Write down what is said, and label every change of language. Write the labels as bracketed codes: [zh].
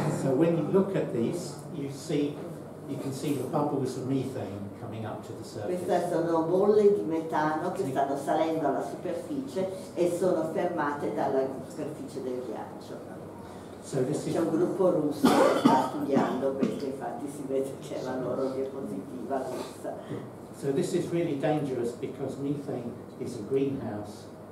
[en] So when you look at this, you can see the bubbles of methane coming up to the surface. [it] Queste sono bolle di metano che stanno salendo alla superficie e sono fermate dalla superficie del ghiaccio. [en] So this [it] c'è un gruppo russo che sta studiando questo, infatti si vede che è la loro diapositiva russa. [en] So this is really dangerous because methane is a greenhouse.